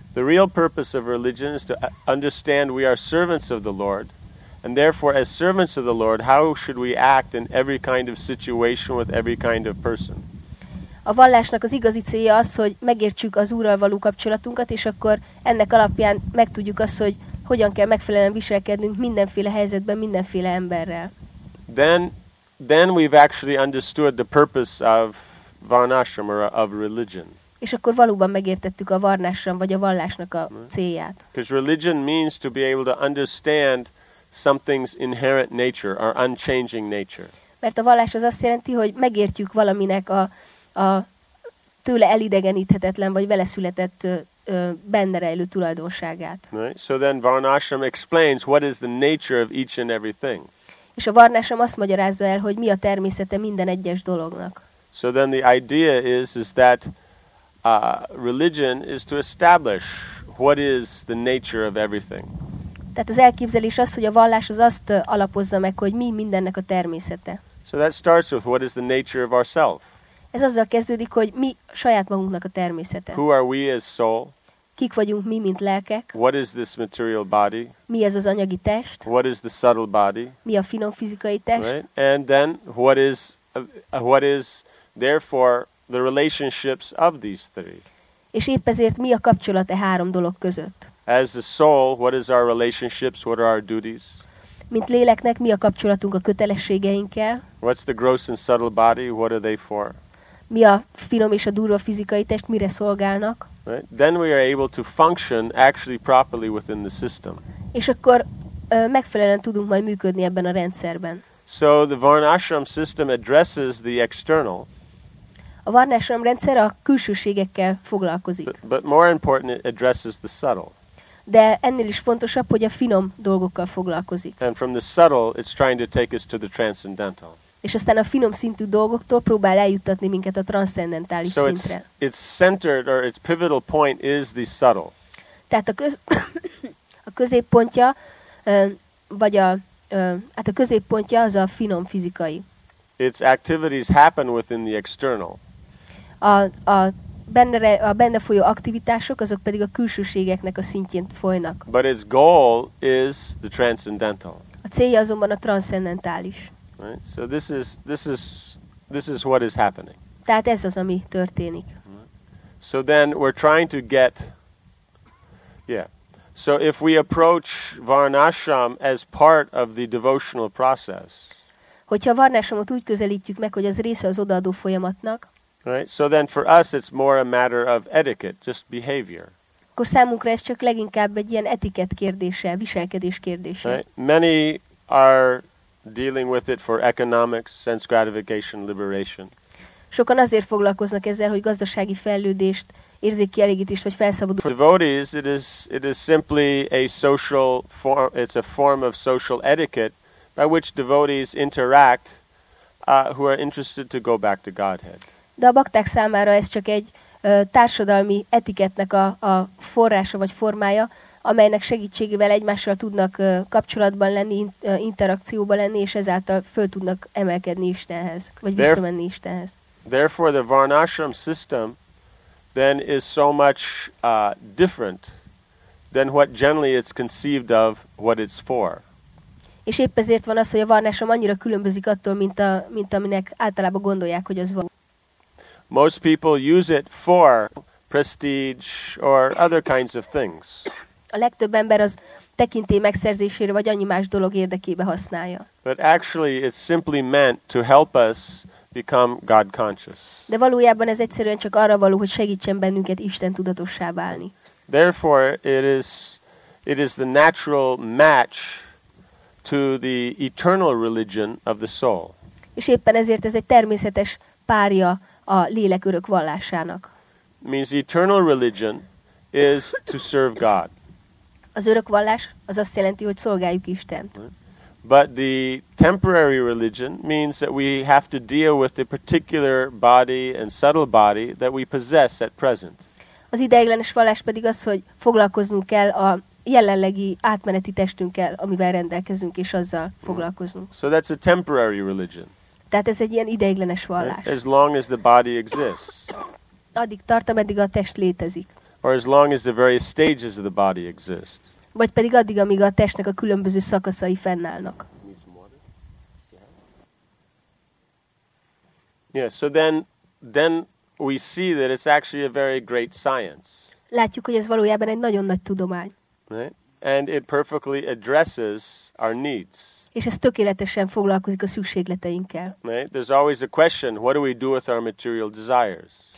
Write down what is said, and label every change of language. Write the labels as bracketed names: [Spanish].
[English] The real purpose of religion is to understand we are servants of the Lord, and therefore as servants of the Lord, how should we act in every kind of situation with every kind of person? [Hungarian] A vallásnak az igazi célja az, hogy megértsük az Úrral való kapcsolatunkat, és akkor ennek alapján megtudjuk azt, hogy hogyan kell megfelelően viselkednünk mindenféle helyzetben, mindenféle emberrel. [English] Then we've actually understood the purpose of Varnashram or of religion. [Hungarian] És akkor valóban megértettük a Varnashram vagy a vallásnak a célját. [English] Because religion means to be able to understand something's inherent nature or unchanging nature. [Hungarian] Mert a vallás az azt jelenti, hogy megértjük valaminek a tőle elidegeníthetetlen vagy vele született benne rejlő tulajdonságát. [English] Right? So then Varnashram explains what is the nature of each and everything. [Hungarian] És a Varnashram azt magyarázza el, hogy mi a természete minden egyes dolognak. [English] So then the idea is that religion is to establish what is the nature of everything. [Hungarian] Tehát az elképzelés az, hogy a vallás az azt alapozza meg, hogy mi mindennek a természete. [English] So that starts with what is the nature of ourself. [Hungarian] Ez azzal kezdődik, hogy mi saját magunknak a természete. [English] Who are we as soul? [Hungarian] Kik vagyunk mi, mint lelkek? [English] What is this material body? [Hungarian] Mi ez az anyagi test? [English] What is the subtle body? [Hungarian] Mi a finom fizikai test? [English] Right? And then what is therefore the relationships of these three? [Hungarian] És épp ezért mi a kapcsolat e három dolog között? [English] As the soul, what is our relationships? What are our duties? [Hungarian] Mint léleknek mi a kapcsolatunk a kötelességeinkkel? [English] What's the gross and subtle body? What are they for? [Hungarian] Mi a finom és a durva fizikai test mire szolgálnak? [English] Right? Then we are able to function actually properly within the system. [Hungarian] És akkor megfelelően tudunk majd működni ebben a rendszerben. [English] So the Varnashram system addresses the external. [Hungarian] A Varnashram rendszer a külsőségekkel foglalkozik. [English] But more important, it addresses the subtle. [Hungarian] De ennél is fontosabb, hogy a finom dolgokkal foglalkozik. [English] And from the subtle, it's trying to take us to the transcendental. [Hungarian] És aztán a finom szintű dolgoktól próbál eljuttatni minket a transzcendentális [English] so [Hungarian] szintre. [English] It's centered or its pivotal point is the subtle. [Hungarian] Tehát a középpontja vagy a hát a középpontja az a finom fizikai. [English] Its activities happen within the external. [Hungarian] A benne folyó aktivitások, azok pedig a külsőségeknek a szintjén folynak. [English] But its goal is the transcendental. [Hungarian] A célja azonban a transzcendentális. [English] Right? So this is what is happening. [Hungarian] Tehát ez az, ami történik. [English] So then we're trying to get, yeah. So if we approach Varnashram as part of the devotional process. [Hungarian] Hogyha Varnashramot úgy közelítjük meg, hogy az része az odaadó folyamatnak. [English] Right. So then for us it's more a matter of etiquette, just behavior. [Hungarian] Akkor számunkra ez csak leginkább egy ilyen etikett kérdése, viselkedés kérdése. [English] Right. Many are dealing with it for economics, sense gratification, liberation. [Hungarian] Sokan azért foglalkoznak ezzel, hogy gazdasági fejlődést, érzékkielégítést vagy felszabadulást. [English] For devotees, it is simply a social form, it's a form of social etiquette by which devotees interact who are interested to go back to Godhead. [Hungarian] De a bakták számára ez csak egy társadalmi etikettnek a forrása vagy formája, amelynek segítségével egymással tudnak kapcsolatban lenni, interakcióban lenni, és ezáltal föl tudnak emelkedni Istenhez, vagy visszamenni Istenhez. [English] Therefore the Varnashram system then is so much different than what generally it's conceived of, what it's for. [Hungarian] És épp ezért van az, hogy a Varnashram annyira különbözik attól, mint aminek általában gondolják, hogy az van. [English] Most people use it for prestige or other kinds of things. [Hungarian] A legtöbb ember az tekintély megszerzésére vagy annyi más dolog érdekébe használja. [English] But actually it's simply meant to help us become God conscious. [Hungarian] De valójában ez egyszerűen csak arra való, hogy segítsen bennünket Isten tudatossá válni. [English] Therefore it is the natural match to the eternal religion of the soul. [Hungarian] És éppen ezért ez egy természetes párja a lélek örök vallásának. [English] Means eternal religion is to serve God. [Hungarian] Az örök vallás az azt jelenti, hogy szolgáljuk Istent. [English] But the temporary religion means that we have to deal with the particular body and subtle body that we possess at present. [Hungarian] Az ideiglenes vallás pedig az, hogy foglalkoznunk kell a jelenlegi átmeneti testünkkel, amivel rendelkezünk, és azzal foglalkozunk. [English] So that's a temporary religion. [Hungarian] Tehát ez egy ilyen ideiglenes vallás. [English] As long as the body exists. [Hungarian] Addig tart, ameddig a test létezik. [English] Or as long as the various stages of the body exist. [Hungarian] Vagy pedig addig, amíg a testnek a különböző szakaszai fennállnak. [English] Yeah, so then we see that it's actually a very great science. [Hungarian] Látjuk, hogy ez valójában egy nagyon nagy tudomány. [English] Right? And it perfectly addresses our needs. [Hungarian] És ez tökéletesen foglalkozik a szükségleteinkkel. [English] Right? There's always a question, what do we do with our material desires?